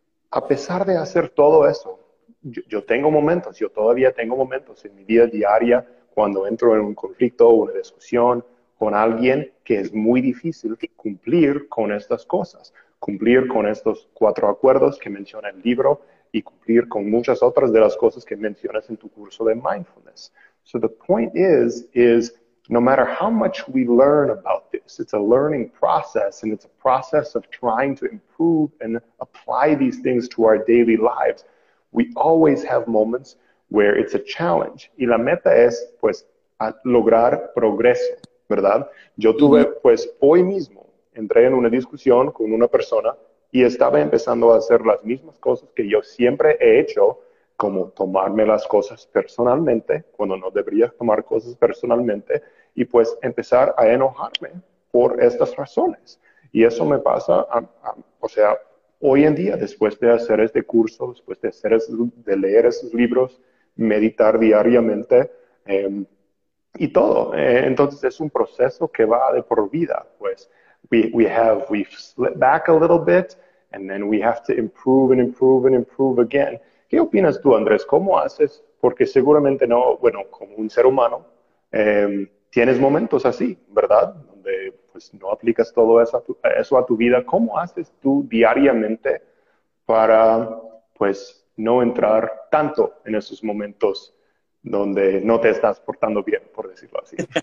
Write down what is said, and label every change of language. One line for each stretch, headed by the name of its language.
Spanish: A pesar de hacer todo eso, yo tengo momentos, yo todavía tengo momentos en mi vida diaria cuando entro en un conflicto o una discusión con alguien que es muy difícil cumplir con estas cosas, cumplir con estos cuatro acuerdos que menciona el libro y cumplir con muchas otras de las cosas que mencionas en tu curso de mindfulness.
English: So the point is no matter how much we learn about this, it's a learning process, and it's a process of trying to improve and apply these things to our daily lives. We always have moments where it's a challenge.
Spanish: Y la meta es, pues, a lograr progreso, ¿verdad? Yo Mm tuve, pues hoy mismo, entré en una discusión con una persona y estaba empezando a hacer las mismas cosas que yo siempre he hecho, como tomarme las cosas personalmente, cuando no debería tomar cosas personalmente, y pues empezar a enojarme por estas razones. Y eso me pasa, o sea, hoy en día, después de hacer este curso, después de hacer de leer esos libros, meditar diariamente, y todo. Entonces es un proceso que va de por vida.
English: Pues we've slipped back a little bit, and then we have to improve and improve and improve again.
Spanish: ¿Qué opinas tú, Andrés? ¿Cómo haces? Porque seguramente no, bueno, como un ser humano, tienes momentos así, ¿verdad? Donde pues no aplicas todo eso a tu vida. ¿Cómo haces tú diariamente para, pues, no entrar tanto en esos momentos donde no te estás portando bien, por decirlo así?